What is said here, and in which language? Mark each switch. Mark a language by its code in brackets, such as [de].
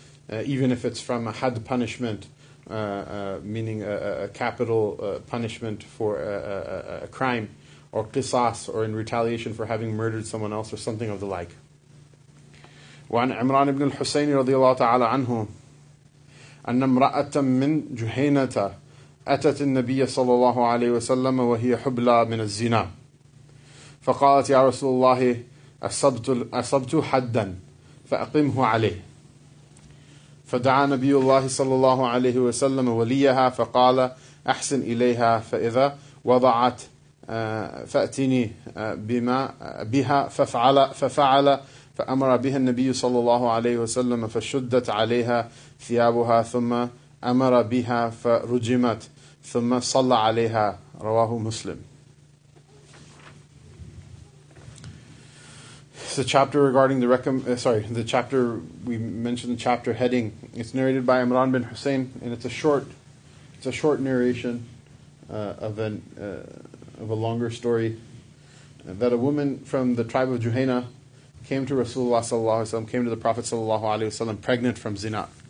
[en] Even if it's from a had punishment, meaning a capital punishment for a crime, or qisas, or in retaliation for having murdered someone else, or something of the like. [ar] وعن عمران بن الحسين رضي الله تعالى عنه أن امرأة من جهينة أتت النبي صلى الله عليه وسلم وهي حبلى من الزنا. فقالت يا رسول الله أصبت حدا فأقمه عليه فدعا نبي الله صلى الله عليه وسلم وليها فقال أحسن إليها فإذا وضعت فأتني بما بها ففعل فأمر بها النبي صلى الله عليه وسلم فشدت عليها ثيابها ثم أمر بها فرجمت ثم صلى عليها رواه مسلم. [en] It's a chapter regarding the chapter, we mentioned the chapter heading. It's narrated by Imran bin Hussein, and it's a short narration of a longer story, that a woman from the tribe of Juhayna came to Rasulullah sallallahu alaihi wasallam, came to the Prophet sallallahu alaihi wasallam, pregnant from zina.